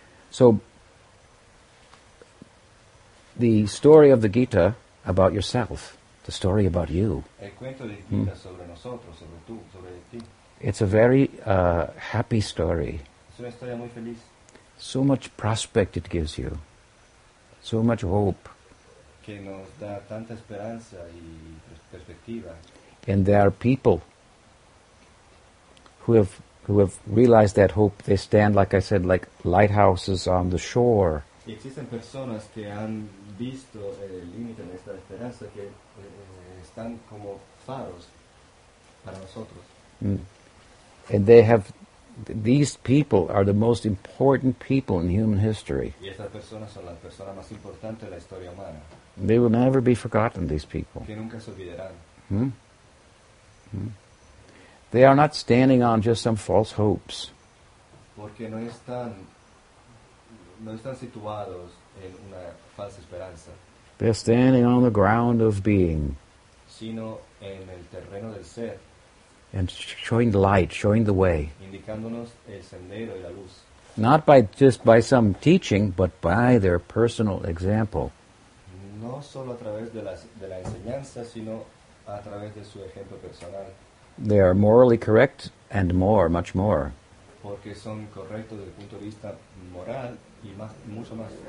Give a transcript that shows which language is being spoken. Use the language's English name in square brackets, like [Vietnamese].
[English] So, the story of the Gita about yourself, the story about you. [Spanish] El cuento de Gita sobre nosotros, sobre tú, sobre ti. [English] It's a very happy story. [Spanish] Es una historia muy feliz. [English] So much prospect it gives you. So much hope. [Spanish] Que nos da tanta esperanza y perspectiva. [English] And there are people who have realized that hope. They stand, like I said, like lighthouses on the shore. [Spanish] Y existen personas que han visto el límite de esta esperanza, que están como faros para nosotros. [English] And they have, these people are the most important people in human history. [Spanish] Y esas personas son las personas más importantes de la historia humana. [English] They will never be forgotten, these people. [Spanish] Que nunca se olvidarán. [English] They are not standing on just some false hopes. [Spanish] Porque no están situados en una falsa esperanza. [English] They're standing on the ground of being. [Spanish] Sino en el terreno del ser. [English] And showing the light, showing the way. [Spanish] Indicándonos el sendero y la luz. [English] Not by just by some teaching, but by their personal example. [Spanish] No solo a través de la enseñanza, sino a través de su ejemplo personal. [English] They are morally correct and more, much more. [Spanish] Porque son correctos desde el punto de vista moral y más, mucho más.